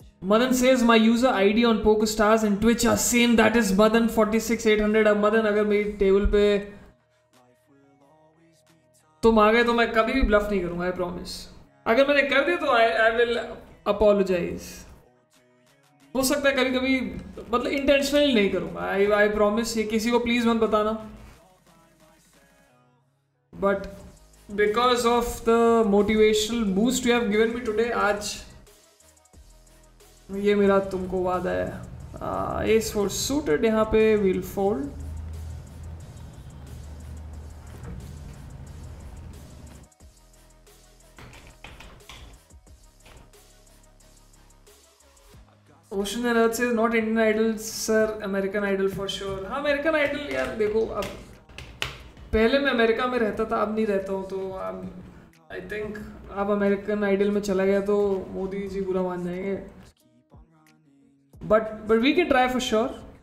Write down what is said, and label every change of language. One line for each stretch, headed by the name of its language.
English: Madan says my user ID on PokerStars and Twitch are same. That is Madan46800.
Hindi: अब Madan अगर मेरी table पे तुम आ गए तो मैं कभी भी ब्लफ नहीं करूंगा,
English: I promise.
Hindi: अगर मैंने कर दिया तो
English: I will apologize.
Hindi: हो सकता है कभी कभी मतलब intentionally नहीं करूंगा.
English: I promise.
Hindi: ये किसी को please मत बताना.
English: But because of the motivational boost you have given me today,
Hindi: आज ये मेरा तुमको वादा है.
English: Ace four suited
Hindi: यहाँ पे,
English: we'll fold. Ocean and Earth says not Indian Idol sir, American Idol for sure.
Hindi: हाँ American Idol यार देखो, अब पहले मैं अमेरिका में रहता था, अब नहीं रहता हूँ, तो अब
English: I think
Hindi: अब अमेरिकन आइडल में चला गया तो मोदी जी बुरा मान जाएंगे.
English: But we can try for sure.